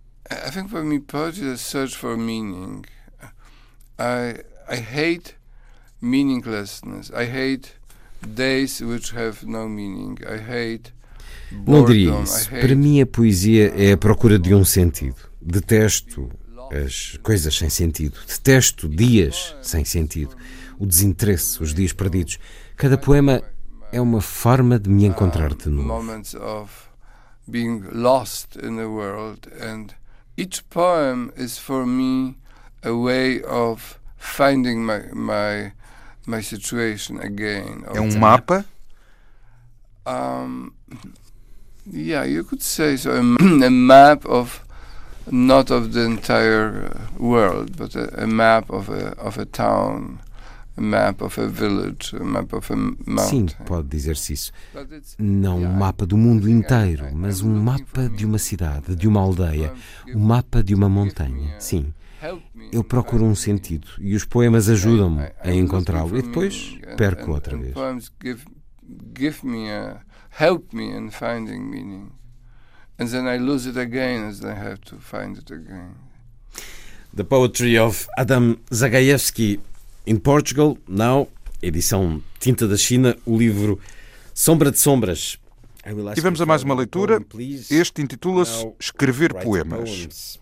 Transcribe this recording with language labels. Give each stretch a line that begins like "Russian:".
English: I think for me poetry is a search for meaning. I hate meaninglessness. I hate days which have no meaning. I hate boredom.
Portuguese: Não diria isso. Para mim a poesia é a procura de um sentido. Detesto as coisas sem sentido. Detesto dias sem sentido. O desinteresse, os dias perdidos. Cada poema é uma forma de me encontrar de novo.
English: Moments of being lost in the world, and each poem is for me a way of finding my my situation again.
Portuguese: É um mapa?
English: Yeah, you could say so. A map of not of the entire world, but a map of a town, a map of a village, a map of a mountain.
Portuguese: Sim, pode dizer-se isso. Não um mapa do mundo inteiro, mas um mapa de uma cidade, de uma aldeia, um mapa de uma montanha. Sim. Eu procuro um sentido e os poemas ajudam-me a encontrá-lo e depois perco outra vez.
English: Give me a help me in finding meaning, and then I lose it again as I have to find it again. The Poetry of Adam Zagajewski in Portugal, now,
Portuguese: edição Tinta da China, o livro Sombra de Sombras. E vamos a mais uma leitura. Este intitula-se Escrever Poemas.